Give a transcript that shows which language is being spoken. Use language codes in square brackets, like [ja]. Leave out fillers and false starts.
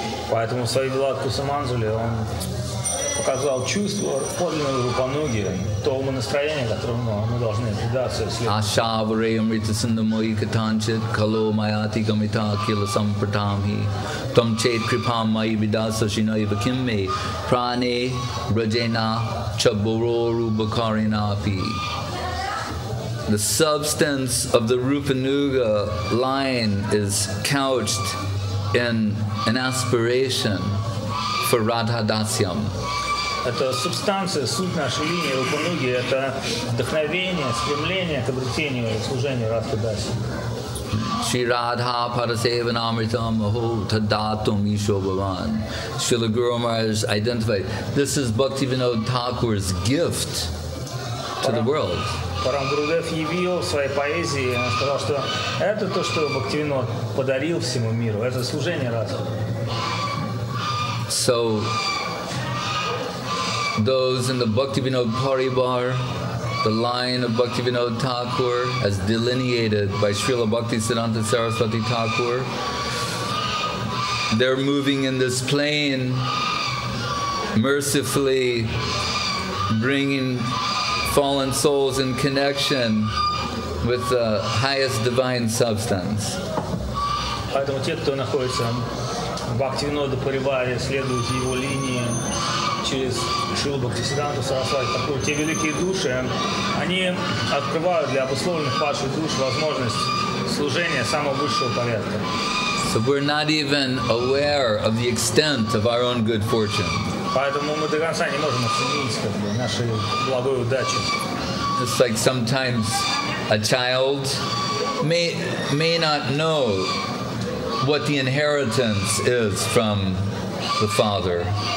[ru] Поэтому в своей Bilat Kusumanjali он показал чувство подлинной Рупануги, то умонастроение, которому мы должны предаться. [sa] Ашаварейм ритасандамои катанчит кало майати гамита кила сампратамхи там чет крипам майи видаса шинай вакимме пране раджена чаборо рубакаринапи. [en] The substance of the Rupanuga line is couched in an aspiration for Radha Dasyam. [ru] Это субстанция, суть нашей линии Рупануги, это вдохновение, стремление к обретению и служению Радхи Даси. [sa] Шри Радха Парасева Намритам Ахо Таддатум Ишо Бхаван. [en] Шрила Гуру Махарадж identified, this is Бхактивинода Тхакура's gift to the world. [ru] Парам Гурудев явил в своей поэзии, он сказал, что это то, что Бхактивинода подарил всему миру, это служение Радхи. [en] So, those in the Bhaktivinoda Paribar, the line of Bhaktivinoda Thakur, as delineated by Srila Bhakti Siddhanta Sarasvati Thakur, they're moving in this plane, mercifully bringing fallen souls in connection with the highest divine substance. [ru] Поэтому те, кто находится в Бхактивинода Парибаре, следуют его линии через Шрилу Бхактивинода Сарасвати Тхакура. Те великие души, они открывают для обусловленных падших душ возможность служения самого высшего порядка. [en] So we're not even aware of the extent of our own good fortune. [ru] Поэтому мы до конца не можем оценить, как бы, нашу благую удачу. [en] It's like sometimes a child may not know what the inheritance is from the father.